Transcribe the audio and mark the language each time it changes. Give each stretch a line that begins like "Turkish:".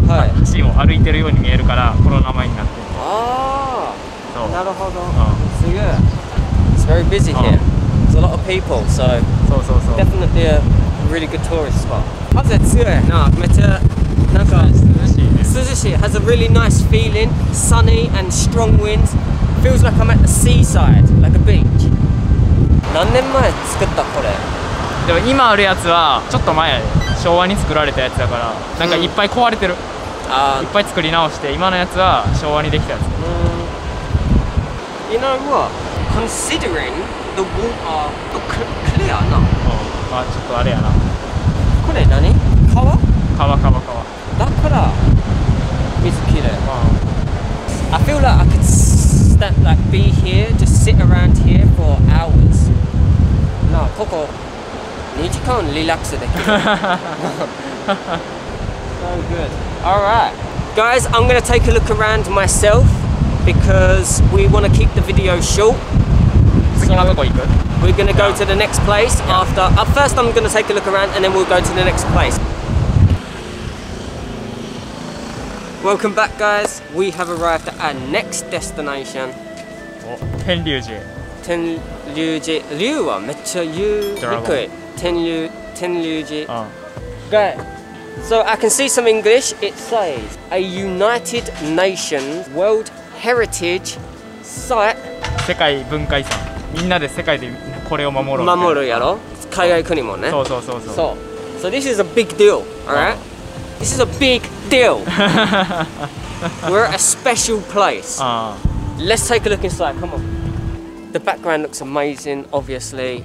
Japanese: はい、橋を歩いてるように見えるから、この名前になってる。あーそう。なるほど。うん、すげえ。
English: It's very busy here. There's a lot of people, so...
Japanese: そうそうそう。
English: Definitely a really good tourist spot.
Japanese: 風強いなめっちゃなんか涼しいね涼しい
English: has a really nice feeling sunny and strong winds feels like I'm at the seaside like a beach
Japanese: 何年前作ったこれでも今あるやつはちょっと前昭和に作られたやつだからなんかいっぱい壊れてる、うん、いっぱい作り直して今のやつは昭和にできたやつ、
English: うん、You know what? Considering the water look clear now、
Japanese: うん、あちょっとあれやなこれ何？川？川川川。だから水きれい。
English: Wow. I feel like I could stand, like be here, just sit around here for hours.
Japanese: なあここ2時間リラックスできる。
English: So good. All right, guys, I'm gonna take a look around myself because we want to keep the video short.
Japanese: 次のとこ行く？
English: We're gonna go to the next place after. First, I'm gonna take a look around and then we'll go to the next place. Welcome back, guys. We have arrived at our next destination. Oh, 天龍寺.
Japanese: 天龍寺.龍はめっちゃ言いにくい.
English: 天龍寺.Okay. So I can see some English. It says a United Nations World Heritage Site.
Japanese: 世界文化遺産. みんなで世界でこれを守ろう守るやろ海外国もねそうそうそうそうそう
English: So this is a big deal, alright? This is a big deal! We're at a special place Let's take a look inside, come on The background looks amazing, obviously、